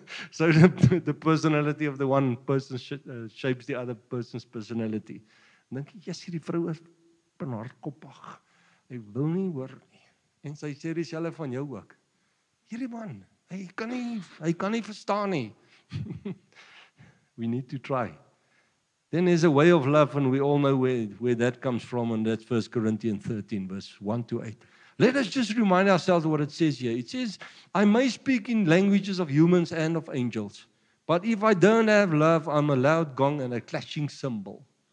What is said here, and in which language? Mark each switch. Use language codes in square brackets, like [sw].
[en] So the personality of the one person shapes the other person's personality. [af] En dink jy, yes, hierdie vrou is benhardkoppig. Hy wil nie hoor nie. En sy sê dieselfde van jou ook. Hierdie man, hy kan nie verstaan nie. [en] We need to try. Then there's a way of love, and we all know where that comes from, and that's 1 Corinthians 13, verse 1 to 8. Let us just remind ourselves what it says here. It says, I may speak in languages of humans and of angels, but if I don't have love, I'm a loud gong and a clashing cymbal.